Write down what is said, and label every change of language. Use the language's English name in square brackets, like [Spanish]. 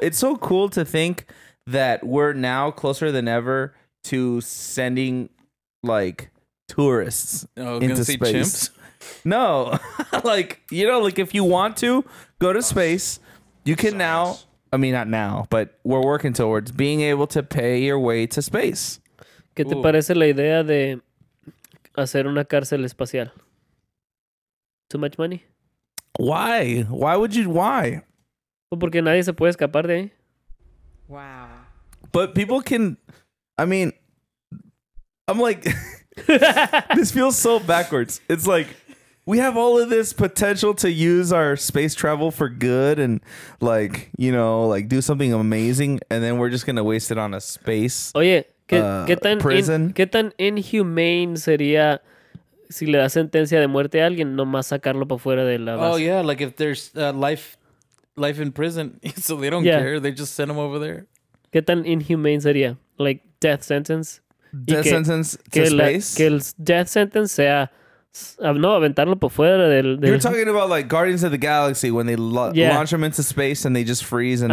[English] It's so cool to think that we're now closer than ever to sending like tourists into space. Chimps? No, like, you know, like if you want to go to space, you can now, I mean, not now, but we're working towards being able to pay your way to space. [Spanish] ¿Qué te parece la idea de hacer una cárcel espacial? [English] Too much money? Why? Why? [Spanish] Porque nadie se puede escapar de ahí. [English] Wow. But people can, I mean, I'm like, this feels so backwards. It's like, we have all of this potential to use our space travel for good and, like, you know, like, do something amazing, and then we're just going to waste it on a space prison. [Spanish] Oye, ¿qué tan inhumane sería si le da sentencia de muerte a alguien nomás sacarlo para fuera de la base? [English] Oh, yeah, like if there's life in prison, so they don't care. They just send them over there. [Spanish] ¿Qué tan inhumane sería? [English] Like, death sentence? Death sentence to space? [Spanish] Que el [English] death sentence [Spanish] sea... No, aventarlo por fuera del... [English] You're talking about like Guardians of the Galaxy when they launch them into space and they just freeze and